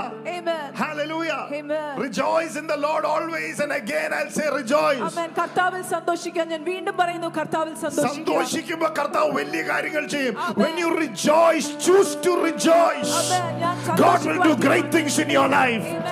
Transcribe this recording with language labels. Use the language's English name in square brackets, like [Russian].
[English] Rejoice in the Lord always, and again I'll say rejoice. [Malayalam] Amen. കർത്താവിൽ സന്തോഷിക്കുക. ഞാൻ വീണ്ടും പറയുന്നു, കർത്താവിൽ സന്തോഷിക്കുമ്പോ കർത്താവ് വലിയ കാര്യങ്ങൾ ചെയ്യും. [English] When you rejoice, choose to rejoice, God will do great things in your life.